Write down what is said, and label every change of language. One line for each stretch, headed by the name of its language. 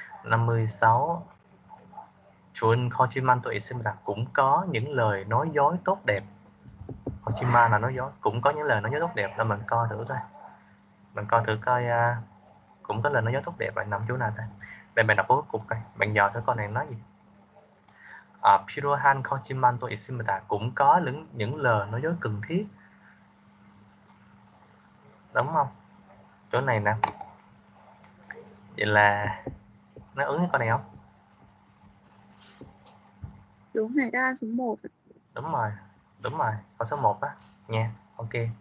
Vietnamese: 56. Chuyện Kochiman tôi xin là cũng có những lời nói dối tốt đẹp. Kochiman là nói dối, cũng có những lời nói dối tốt đẹp, là mình coi thử thôi. mình coi thử coi cũng có lời nói dối tốt đẹp rồi, nằm chỗ nào ta. Để mình đọc cuối cùng coi, mình dò thử con này nói gì.
Korean: 필요한 거짓말도 있습니다.
Vietnamese: Cũng có những lời nói dối cần thiết. Đúng không? Chỗ này nè. Vậy là nó ứng với con này không? Đúng này, đáp án số 1. Đúng rồi. Đúng rồi, con số 1 á nha. Ok.